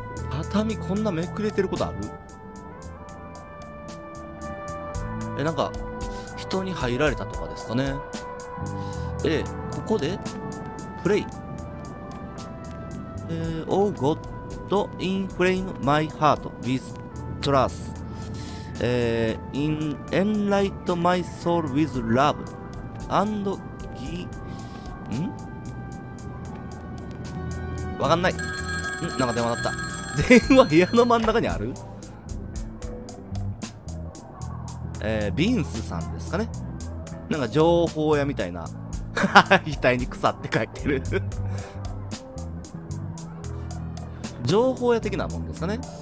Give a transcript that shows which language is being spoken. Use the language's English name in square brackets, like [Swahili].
[Japanese] 畳こんなめくれてることある？なんか、人に入られたとかですかね。ここで、プレイ。 [English] Oh God, と Inflame My Heart with Trust、Enlighten My Soul with Love and Gi [Japanese] わかんない。なんか電話だった。電話部屋の真ん中にある。ビンスさんですかね。なんか情報屋みたいな額に草って書いてる情報屋的なもんですかね。